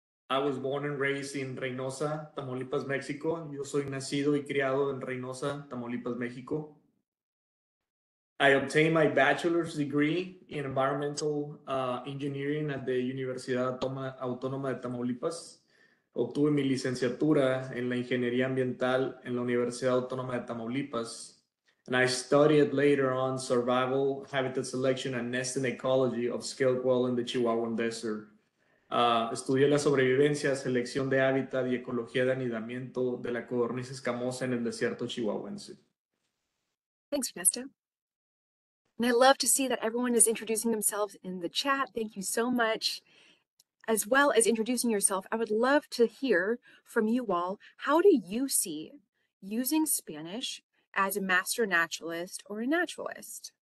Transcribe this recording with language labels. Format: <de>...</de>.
<en>I was born and raised in Reynosa, Tamaulipas, Mexico.</en> <es>Yo soy nacido y criado en Reynosa, Tamaulipas, Mexico.</es> <en>I obtained my bachelor's degree in environmental engineering at the Universidad Autónoma de Tamaulipas.</en> <es>Obtuve mi licenciatura en la ingeniería ambiental en la Universidad Autónoma de Tamaulipas.</es> <en>And I studied later on survival, habitat selection, and nesting ecology of scale quail in the Chihuahuan Desert.</en> <es>Estudié la sobrevivencia, selección de hábitat y ecología de anidamiento de la codorniz escamosa en el desierto chihuahuense.</es> <en>Thanks, Ernesto. And I love to see that everyone is introducing themselves in the chat. Thank you so much. As well as introducing yourself, I would love to hear from you all. How do you see using Spanish as a master naturalist or a naturalist?</en>